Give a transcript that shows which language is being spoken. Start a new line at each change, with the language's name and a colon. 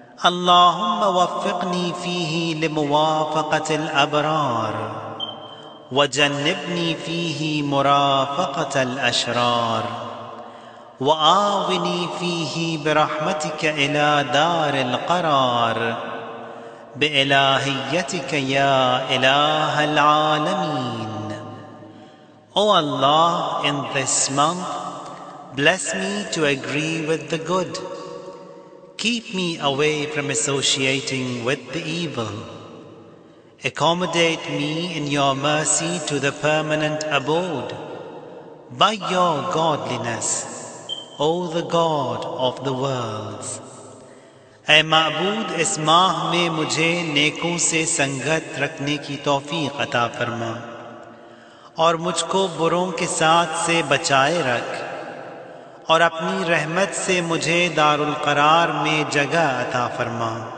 Arabic: اللهم وفقني فيه لموافقة الأبرار وجنبني فيه مرافقة الأشرار وآوني فيه برحمتك إلى دار القرار بإلهيتك يا إله العالمين.
English: O Allah, in this month, bless me to agree with the good. Keep me away from associating with the evil. Accommodate me in your mercy to the permanent abode. By your godliness, O the God of the worlds.
Urdu: اے معبود، اس ماہ میں مجھے نیکوں سے سنگت رکھنے کی توفیق عطا فرما اور مجھ کو بروں کے ساتھ سے بچائے رکھ اور اپنی رحمت سے مجھے دار القرار میں جگہ عطا فرما.